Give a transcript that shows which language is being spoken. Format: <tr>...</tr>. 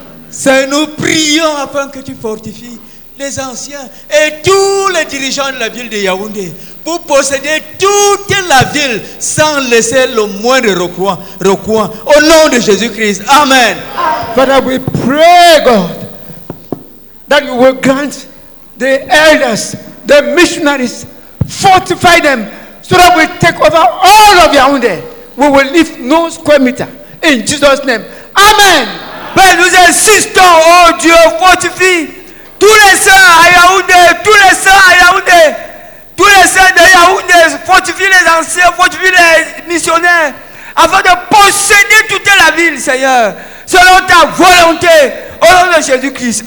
<fr>Seigneur, nous prions afin que tu fortifies les anciens et tous les dirigeants de la ville de Yaoundé pour posséder toute la ville sans laisser le moindre recoin. Au nom de Jésus-Christ. Amen.</fr> <en>Father, we pray, God, that you will grant the elders, the missionaries, fortify them so that we take over all of Yaoundé. We will leave no square meter. In Jesus' name. Amen.</en> <fr>Ben, nous insistons, oh Dieu, fortifie tous les saints à Yaoundé, tous les saints à Yaoundé, tous les saints de Yaoundé, fortifie les anciens, fortifie les missionnaires, afin de posséder toute la ville, Seigneur, selon ta volonté, au nom de Jésus-Christ.</fr>